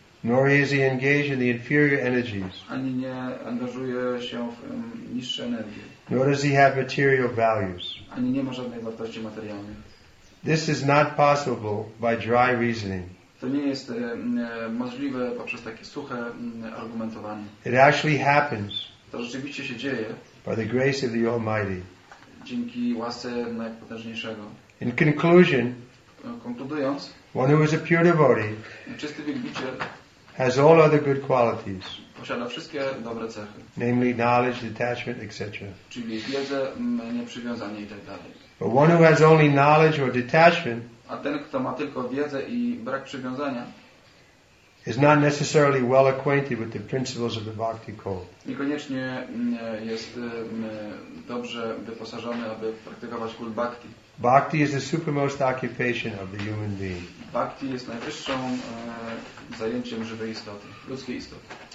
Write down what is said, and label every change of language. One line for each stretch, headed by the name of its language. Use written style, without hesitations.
English: Nor is he engaged in the inferior energies.
Polish: Ani nie angażuje się w niższe energie.
English: Nor does he have material values.
Polish: Ani nie ma żadnej wartości materialnej.
English: This is not possible by dry reasoning.
Polish: To nie jest możliwe poprzez takie suche argumentowanie.
English: It actually happens.
Polish: To rzeczywiście się dzieje.
English: By the grace of the Almighty.
Polish: Dzięki łasce Najpotężniejszego.
English: In conclusion,
Polish: konkludując,
English: one who is a pure devotee,
Polish: czysty wielbiciel,
English: has all other good qualities.
Polish: Posiada wszystkie dobre cechy.
English: Namely knowledge, detachment, etc.
Polish: Czyli wiedzę, nieprzywiązanie i tak dalej.
English: But one who has only knowledge or detachment,
Polish: a ten, kto ma tylko wiedzę i brak przywiązania,
English: is not necessarily well acquainted with the principles of the Bhakti code.
Polish: Niekoniecznie jest dobrze wyposażony, aby praktykować kult Bhakti.
English: Bhakti is the supermost occupation of the human being.
Polish: Bhakti jest najwyższą zajęciem żywej istoty, ludzkiej istoty.